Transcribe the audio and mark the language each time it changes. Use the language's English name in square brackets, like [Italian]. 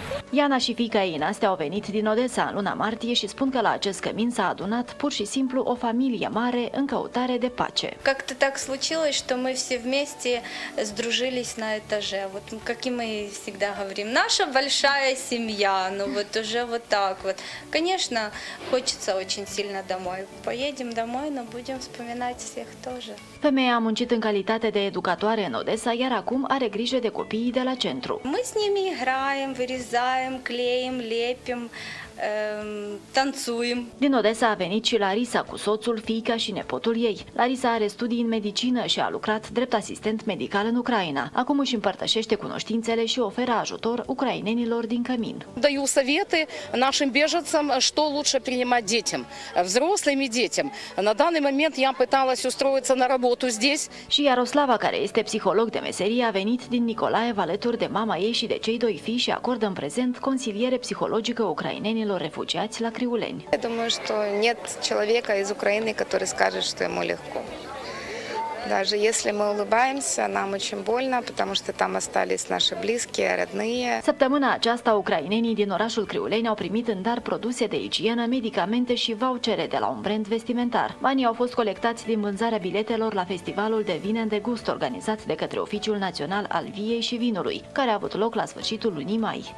[Romanian] Iana și fiica ei, Nastia, au venit din Odessa în luna martie și spun că la acest cămin s-a adunat pur și simplu o familie mare în căutare de pace. [Russian] Как-то так случилось, что мы все вместе сдружились на этаже. Вот, как и мы всегда говорим, наша большая семья. Ну вот уже вот так вот. Конечно, хочется очень сильно домой. Поедем домой, но будем вспоминать всех тоже. [Romanian] Femeia a muncit în calitate de educatoare în Odessa, iar acum are grijă de copiii de la centru. [Russian] Мы с ними играем, вырезаем, клеим, лепим, танцуем. [Romanian] Din Odessa a venit și Larisa cu soțul, fiica și nepotul ei. Larisa are studii în medicină și a lucrat drept asistent medical în Ucraina. Acum își împărtășește cunoștințele și oferă ajutor ucrainenilor din cămin. [Russian] Даю советы нашим беженцам, что лучше принимать детям, взрослым и детям. На данный момент я пыталась устроиться на работу здесь. [Romanian] Și Iaroslava, care este psiholog de meserie, a venit din Nicolaev alături de mama ei și de cei doi fii și acordă în prezent consiliere psihologică ucraineană refugiați la Criuleni. [Russian] Я думаю, что нет человека из Украины, который скажет, что ему легко. Даже если мы улыбаемся, нам очень больно, потому что там остались наши близкие, родные. [Romanian] Săptămâna aceasta, ucrainenii din orașul Criuleni au primit în dar produse de igienă, medicamente și vouchere de la un brand vestimentar. Banii au fost colectați din vânzarea biletelor la festivalul Devine în Degust, organizat de către Oficiul Național al Viei și Vinului, care a avut loc la sfârșitul lunii mai.